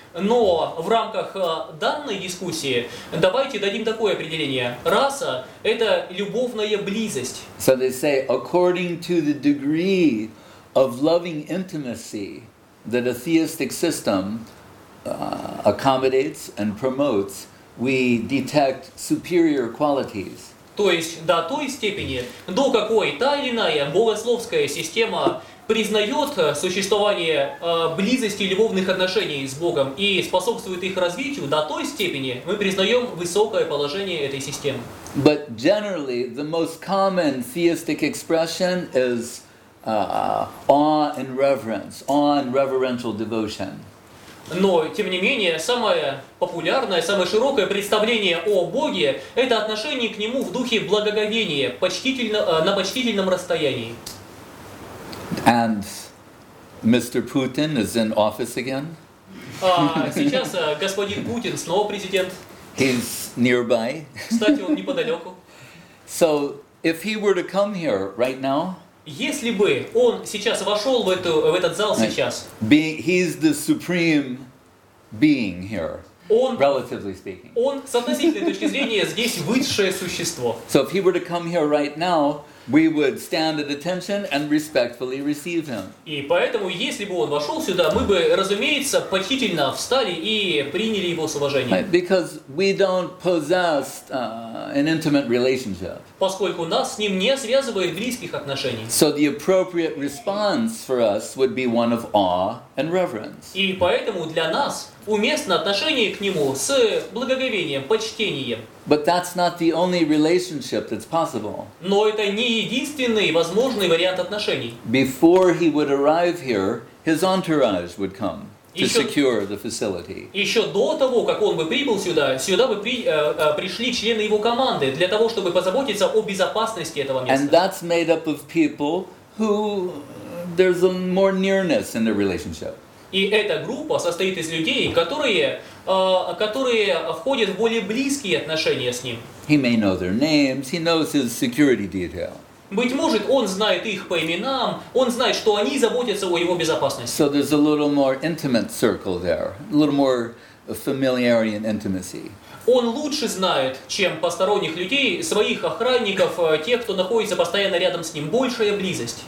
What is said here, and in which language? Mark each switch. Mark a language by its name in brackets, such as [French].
[Russian] Но в рамках данной дискуссии давайте дадим такое определение. Раса – это любовная близость. [English] So they say, according to the degree of loving intimacy that a theistic system accommodates and promotes, we detect superior qualities. [Russian] То есть до той степени, до какой та или иная богословская система признает существование близости любовных отношений с Богом и способствует их развитию, до той степени мы признаем высокое положение этой системы. [English] But generally, the most common theistic expression is awe and reverence, awe and reverential devotion. [Russian] Но, тем не менее, самое популярное, самое широкое представление о Боге – это отношение к Нему в духе благоговения, на почтительном расстоянии. [English] And Mr. Putin is in office again. [Russian] Сейчас господин Путин снова президент. [English] He's nearby. [Russian] Кстати, он неподалеку. [English] So, if he were to come here right now, [Russian] если бы он сейчас вошел в этот зал сейчас, [English] he's the supreme being here, relatively speaking. [Russian] Он, с относительной точки зрения, здесь высшее существо. [English] So, if he were to come here right now, We would stand at attention and respectfully receive him. [Russian] И поэтому, если бы он вошел сюда, мы бы, разумеется, почтительно встали и приняли его с уважением. [English] Right, because we don't possess an intimate relationship. [Russian] Поскольку нас с ним не связывает близких отношений. [English] So the appropriate response for us would be one of awe and reverence. [Russian] И поэтому для нас уместно отношение к нему с благоговением, почтением. [English] But that's not the only relationship that's possible. [Russian] Но это не единственный возможный вариант отношений. [English] Before he would arrive here, his entourage would come to secure the facility. [Russian] Еще до того, как он бы прибыл сюда, сюда бы пришли члены его команды для того, чтобы позаботиться о безопасности этого места. [English] And that's made up of people who there's a more nearness in their relationship. [Russian] И эта группа состоит из людей, которые входят в более близкие отношения с ним. [English] He may know their names, he knows his security detail. [Russian] Быть может, он знает их по именам, он знает, что они заботятся о его безопасности. [English] So there's a little more intimate circle there, a little more familiarity and intimacy. [Russian] Он лучше знает, чем посторонних людей, своих охранников, тех, кто находится постоянно рядом с ним, большая близость.